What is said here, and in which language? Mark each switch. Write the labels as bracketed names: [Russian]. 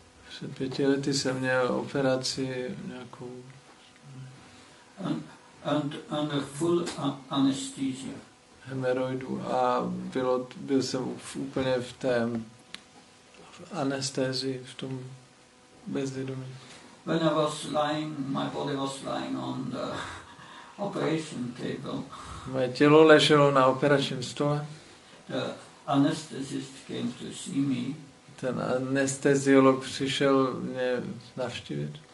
[Czech] Před 5 lety jsem měl operaci nějakou. [English] And under full anesthesia. [Czech] Hemeroidu a byl jsem úplně v té anestezii, v tom bezvědomí. [English] When I was lying, my body was lying on the operation table. [Czech] Moje tělo leželo na operačním stole. [English] The anesthetist came to see me. [Czech] Ten anesteziolog přišel mě navštívit.